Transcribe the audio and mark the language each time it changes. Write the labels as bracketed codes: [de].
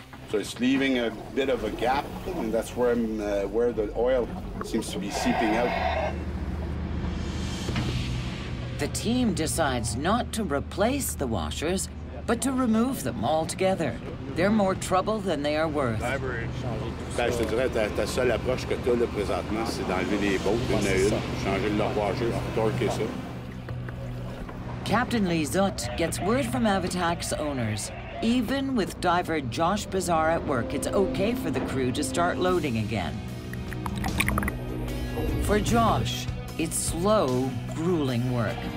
[en] So it's leaving a bit of a gap, and that's where the oil seems to be seeping out. The team decides not to replace the washers, but to remove them altogether. They're more trouble than they are worth. [fr] Ben, je te dirais, ta seule approche que tu as là présentement, c'est d'enlever les bolts une à une, changer leur washer, torquer ça. [en] Captain Lee Zut gets word from AVATAQ's owners. Even with diver Josh Bizarre at work, it's okay for the crew to start loading again. For Josh, it's slow, grueling work.